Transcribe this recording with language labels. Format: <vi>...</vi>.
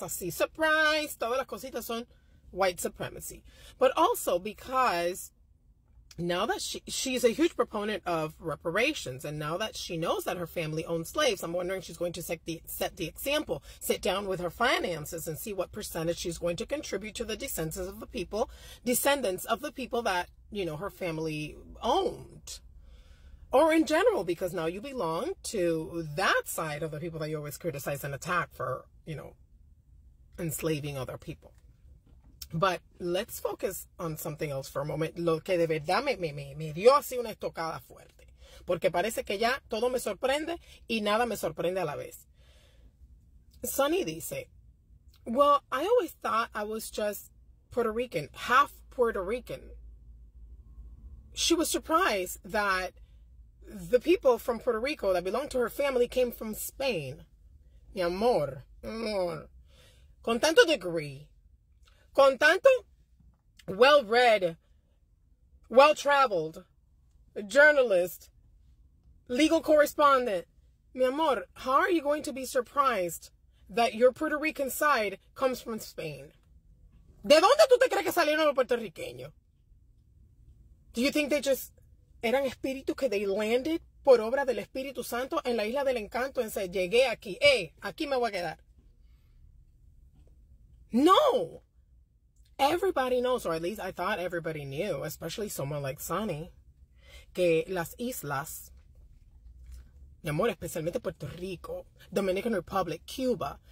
<es>Así, surprise, todas las cositas son white supremacy.</es> <en>But also because now that she's a huge proponent of reparations, and now that she knows that her family owns slaves, I'm wondering if she's going to set the example, sit down with her finances and see what percentage she's going to contribute to the descendants of the people that, you know, her family owned. Or in general, because now you belong to that side of the people that you always criticize and attack for, you know, enslaving other people. But let's focus on something else for a moment.</en> <es>Lo que de verdad me dio así una estocada fuerte. Porque parece que ya todo me sorprende y nada me sorprende a la vez.</es> <en>Sunny dice, well, I always thought I was just Puerto Rican, half Puerto Rican. She was surprised that the people from Puerto Rico that belonged to her family came from Spain.</en> <es>Mi amor, amor. Con tanto degree. Con tanto</es> <en>well-read, well-traveled journalist, legal correspondent.</en> <es>Mi amor,</es> <en>how are you going to be surprised that your Puerto Rican side comes from Spain?</en> <es>¿De dónde tú te crees que salieron los puertorriqueños?</es> <en>Do you think they just</en> <es>eran espíritus que</es> <en>they landed</en> <es>por obra del Espíritu Santo en la Isla del Encanto</es> <en>and said,</en> <es>llegué aquí,</es> <en>hey,</en> <es>aquí me voy a quedar?</es> <en>No! Everybody knows, or at least I thought everybody knew, especially someone like Sunny,</en> <es>que las islas, mi amor, especialmente</es> <en>Puerto Rico, Dominican Republic, Cuba.</en>